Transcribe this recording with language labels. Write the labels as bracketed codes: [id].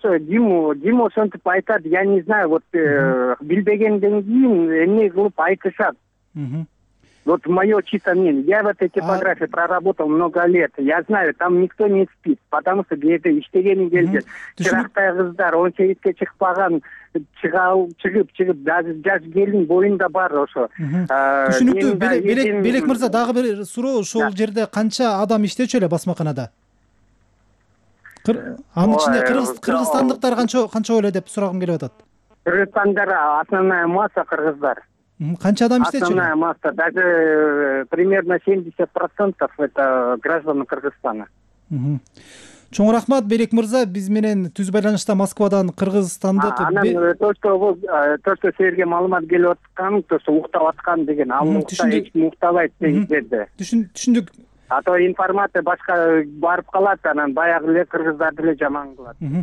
[ky] Ким ошентип айтат, [ru] я не знаю, [ky] билбегенден кийин эмне кылып айтышат. [ru] Мое чисто мнение. Я в этой типографии проработал много лет. Я знаю, там никто не спит, потому что где-то [ky] иштегени келген. Чырактай кыздар, 18-ке чыкпаган, чыгып, даже жаш келин боюнда бар ошо. Түшүнүктүү. Белек мырза, дагы бир суроо, ошол жерде канча адам иштечү эле басмаканада? Анын ичинде кыргызстандыктар канча эле деп сурагым келип атат. Кыргызстандар [ru] основная масса [ky] кыргыздар. Канча адам иштечү? [ru] Основная масса, даже примерно 70% это граждан Кыргызстана. [ky] Чоң рахмат, Берек мырза, биз менен түз байланышта Москвадан кыргызстандык. [ru] То что [ky] силерге маалымат келип аткан, [ru] то что [ky] уктап аткан деген, ал уктабайт деген жерде. Түшүндүк. [ru] А то информация [ky] башка барып калат, анан баягы эле кыргыздарды эле жаман кылат.